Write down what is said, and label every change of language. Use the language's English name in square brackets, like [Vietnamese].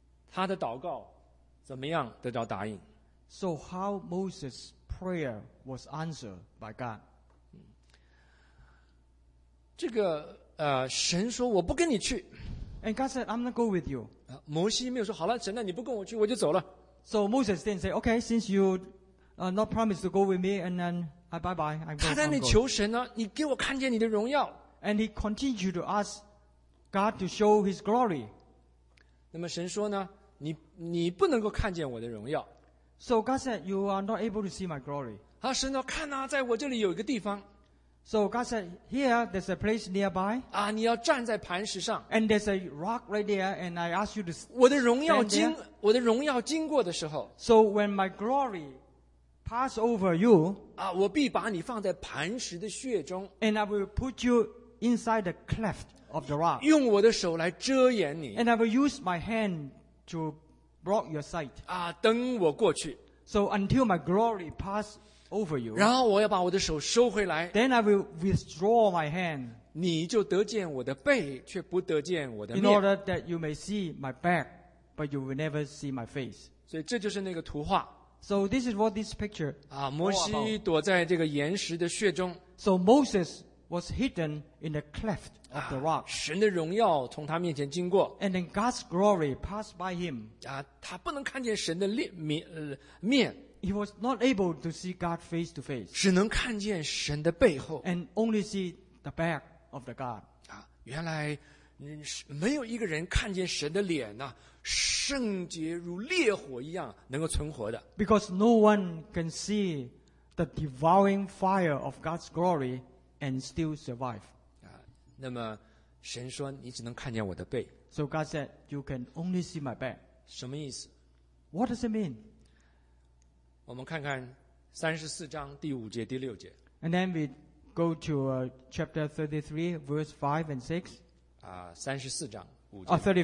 [Chinese] 他的祷告怎么样得到答应？ [English] So how Moses' prayer was answered by God? [Chinese] 这个神说我不跟你去。 [English] And God said, I'm not going with you. [Chinese] 摩西没有说好了，神啊，你不跟我去，我就走了。 [English] So Moses then said, okay, since you not promised to go with me, and then bye bye, I'm going. [Chinese] 他在那里求神呢，你给我看见你的荣耀。 [English] And he continued to ask God to show his glory. [Chinese] 那么神说呢，你不能够看见我的荣耀。 [English] So God said, you are not able to see my glory. [Chinese] 神说看啊，在我这里有一个地方。 [English] So God said, here, there's a place nearby. [Chinese] 啊, 你要站在磐石上, [English] and there's a rock right there, and I ask you to stand [Chinese] 我的荣耀经, [English] there. [Chinese] 我的荣耀经过的时候, [English] so when my glory pass over you, [Chinese] 啊, 我必把你放在磐石的穴中, [English] and I will put you inside the cleft of the rock. [Chinese] 用我的手来遮掩你, [English] and I will use my hand to block your sight. [Chinese] 啊, 登我过去, [English] so until my glory pass over you, over you. [Chinese] 然后我要把我的手收回来, [English] then I will withdraw my hand. [Chinese] 你就得见我的背, [English] in order that you may see my back, but you will never see my face. [Chinese] 所以这就是那个图画, [English] so this is what this picture. [Chinese] 啊, 摩西躲在这个岩石的穴中, [English] so Moses was hidden in the cleft of the rock. [Chinese] 啊, 神的荣耀从他面前经过, [English] and then God's glory passed by him. [Chinese] 啊, 他不能看见神的面, [English] he was not able to see God face to face. [Chinese] 只能看见神的背后, [English] and only see the back of the God. [Chinese] 啊, 原来没有一个人看见神的脸啊, 圣洁如烈火一样能够存活的, [English] because no one can see the devouring fire of God's glory and still survive. [Chinese] 啊, 那么神说你只能看见我的背, [English] so God said, you can only see my back. [Chinese] 什么意思? [English] What does it mean? [Chinese] 我们看看 34章第5节第6节, [English] and then we go to chapter 33 verse 5 and 6. [Chinese] 34章5节,